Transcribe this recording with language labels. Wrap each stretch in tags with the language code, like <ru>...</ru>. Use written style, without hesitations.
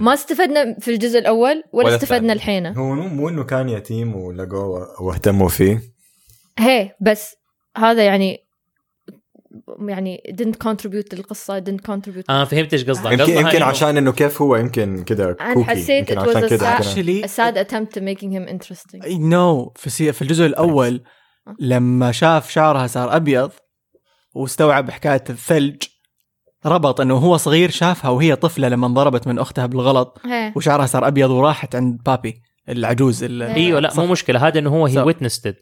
<ar>ما استفدنا في الجزء الاول ولا استفدنا الحين. هو مو انه كان يتيم ولقوه واهتموا فيه، هي بس هذا يعني</ar> <en>didn't contribute</en> <ar>للقصة، didn't contribute. أنا فهمت إيش قصدك. يمكن عشان إنه كيف هو يمكن كده كوكي. أنا حسيت</ar> <en>it was a sad attempt to making him interesting.</en> <ar>No، في الجزء الأول لما شاف شعرها صار أبيض واستوعب حكاية الثلج، ربط إنه هو صغير شافها وهي طفلة لما انضربت من أختها بالغلط وشعرها صار أبيض وراحت عند بابي العجوز. إيوه لا مو مشكلة، هذا إنه هو</ar> <en>he witnessed it.</en>